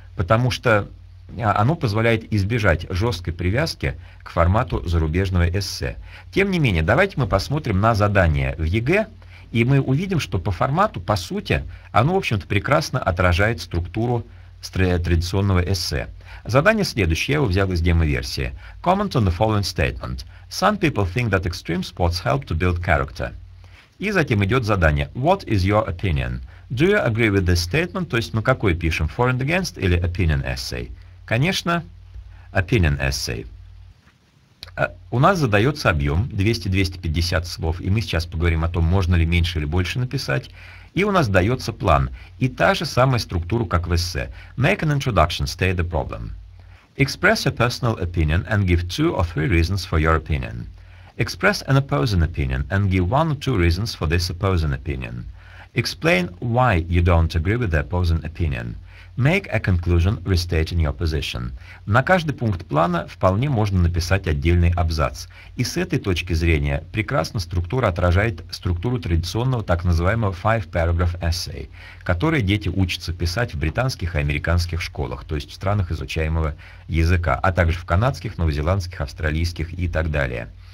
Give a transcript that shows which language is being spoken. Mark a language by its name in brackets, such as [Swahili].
[Russian] Потому что оно позволяет избежать жесткой привязки к формату зарубежного эссе. Тем не менее, давайте мы посмотрим на задание в ЕГЭ, и мы увидим, что по формату, по сути, оно, в общем-то, прекрасно отражает структуру традиционного эссе. Задание следующее, я его взял из демо-версии. [English] Comment on the following statement. Some people think that extreme sports help to build character. [Russian] И затем идет задание. [English] What is your opinion? Do you agree with this statement? [Russian] То есть мы какое пишем, for and against или opinion essay? Конечно, opinion essay. У нас задается объем 200-250 слов, и мы сейчас поговорим о том, можно ли меньше или больше написать. И у нас дается план, и та же самая структура, как в эссе. [English] Make an introduction, state the problem. Express your personal opinion and give two or three reasons for your opinion. Express an opposing opinion and give one or two reasons for this opposing opinion. Explain why you don't agree with the opposing opinion. Make a conclusion, restating your position. [Russian] На каждый пункт плана вполне можно написать отдельный абзац. И с этой точки зрения прекрасно структура отражает структуру традиционного так называемого five-paragraph essay, который дети учатся писать в британских и американских школах, то есть в странах изучаемого языка, а также в канадских, новозеландских, австралийских и так далее.